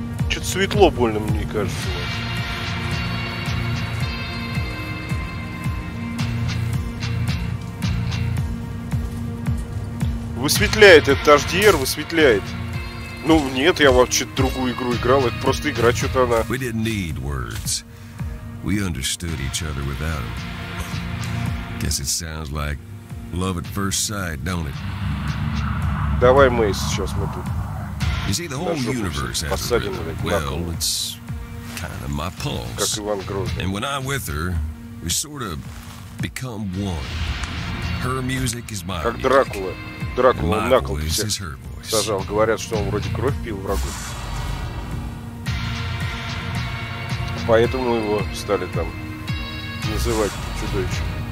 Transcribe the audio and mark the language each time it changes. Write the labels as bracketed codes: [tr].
[ru] Что-то светло больно, мне кажется. Вот. Высветляет этот HDR, высветляет. Ну нет, я вообще другую игру играл, это просто игра, что-то она. [en] We didn't need words. We understood each other without them. Guess it sounds like love at first sight, don't it? [ru] Давай мы сейчас мы тут. [en] You see, the whole universe has a rhythm. Well, it's kind of my pulse. And when I'm with her, we sort of become one. Her music is my. [ru] Как Дракула. Дракула на кол всех сажал. Говорят, что он вроде кровь пил врагу. Поэтому его стали там называть чудовищем.